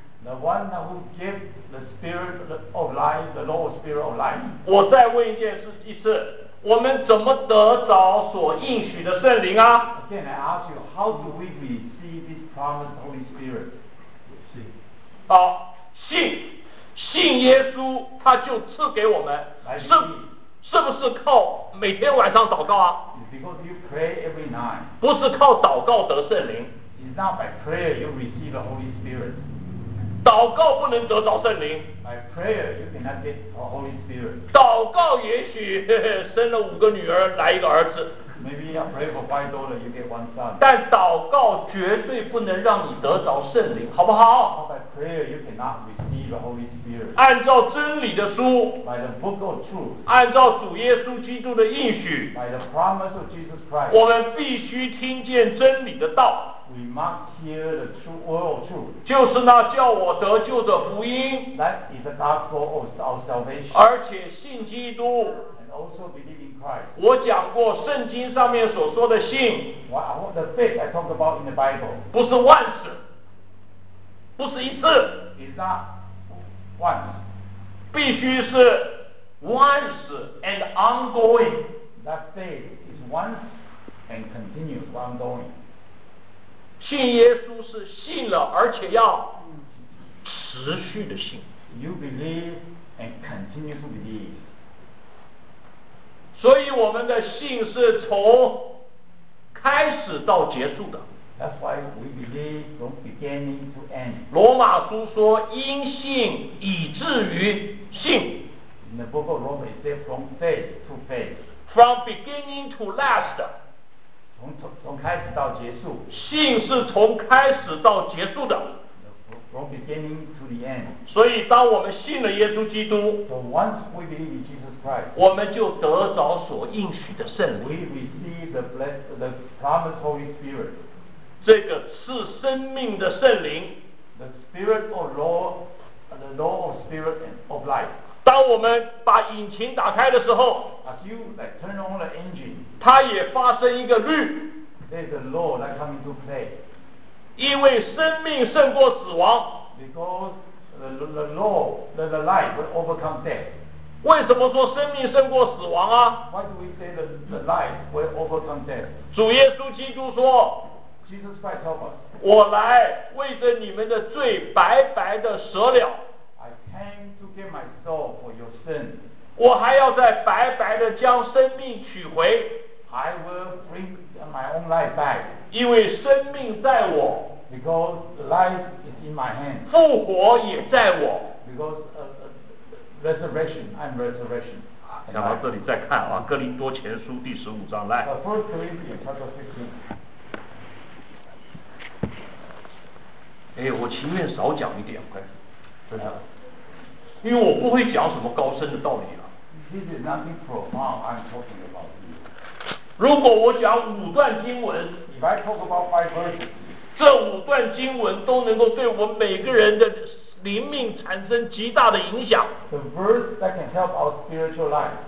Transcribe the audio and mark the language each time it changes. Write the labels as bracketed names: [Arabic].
[English] The one that will give the spirit of life, the law of spirit of life. [Chinese] 我再问一件事一次我们怎么得着所应许的圣灵啊 [English] Again, I ask you, how do we receive this promised Holy Spirit? [Chinese] 信好、信信耶稣他就赐给我们是不是靠每天晚上祷告啊 [English] It's because you pray every night [Chinese] 不是靠祷告得圣灵 [English] It's not by prayer you receive the Holy Spirit [Chinese] 祷告不能得着圣灵 [English] By prayer, you cannot get the Holy Spirit. [Chinese] 祷告也许生了五个女儿，来一个儿子。 [English] Maybe you pray for five daughters, you get one son. [Chinese] 但祷告绝对不能让你得着圣灵，好不好 [English] ？By prayer, you cannot receive the Holy Spirit. [Chinese] 按照真理的书 [English] ，By the book of truth. [Chinese] 按照主耶稣基督的应许 [English] ，By the promise of Jesus Christ. [Chinese] 我们必须听见真理的道。 [English] We must hear the true word of truth. [Chinese] 就是那叫我得救的福音。 [English] That is the gospel of our salvation. [Chinese] 而且信基督。 [English] And also believe in Christ. [Chinese] 我讲过圣经上面所说的信。 [English] Wow, the faith I talked about in the Bible. [Chinese] 不是 once. 不是一次。 [English] It's not once. [Chinese] 必须是 [English] once and ongoing. That faith is once and continues ongoing. [Chinese] 信耶稣是信了而且要持续的信 [English] You believe and continue to believe [Chinese] 所以我们的信是从开始到结束的 [English] That's why we believe from beginning to end [Chinese] 罗马书说因信以至于信 [English] In the book of Romans it says from faith to faith From beginning to last [Chinese] 从开始到结束信是从开始到结束的 [English] from beginning to the end [Chinese] 所以当我们信了耶稣基督 [English] so once we believe in Jesus Christ [Chinese] 我们就得着所应许的圣灵 [English] we receive the blessed, the promised Holy Spirit [Chinese] 这个赐生命的圣灵 [English] the spirit of law the law of spirit and of life [Chinese] 当我们把引擎打开的时候 [English] as you like, turn on the engine [Chinese] 它也发生一个律 [English] There's a law that comes into play [Chinese] 因为生命胜过死亡 [English] Because the law, the life will overcome death [Chinese] 为什么说生命胜过死亡啊 [English] Why do we say the life will overcome death [Chinese] 主耶稣基督说 [English] Jesus Christ help us [Chinese] 我来为着你们的罪白白的舍了 [English] I came to give my soul for your sin [Chinese] 我还要再白白的将生命取回 [English] I will bring my own life back [Chinese] 因为生命在我 [English] Because life is in my hand [Chinese] 复活也在我 [English] Because resurrection, I'm resurrection [Chinese] 讲到这里再看啊，哥林多前书第十五章来 [English] First Corinthians chapter 15 [Chinese] 哎，我情愿少讲一点快真的因为我不会讲什么高深的道理了 [English] This is nothing profound I'm talking about you [Chinese] 如果我讲五段经文 [English] If I talk about five verses [Chinese] 这五段经文都能够对我们每个人的灵命产生极大的影响 [English] The verse that can help our spiritual life